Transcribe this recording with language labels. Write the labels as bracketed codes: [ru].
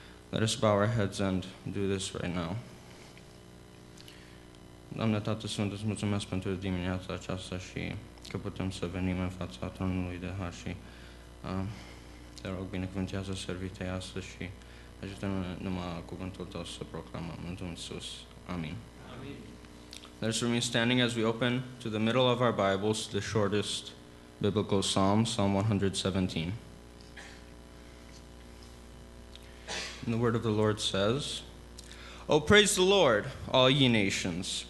[en] Let us bow our heads and do this right now. [ro] Doamne, Tată Sfânt, îți mulțumesc pentru dimineața aceasta și că putem să venim în fața Tronului de Har și te rog, binecuvântează servitei astăzi și ajută-ne numai cuvântul Tău să proclamăm în Domnul Iisus. Amin. Amin. [en] Let us remain standing as we open to the middle of our Bibles, the shortest Biblical Psalm, Psalm 117. And the word of the Lord says, Oh, praise the Lord, all ye nations.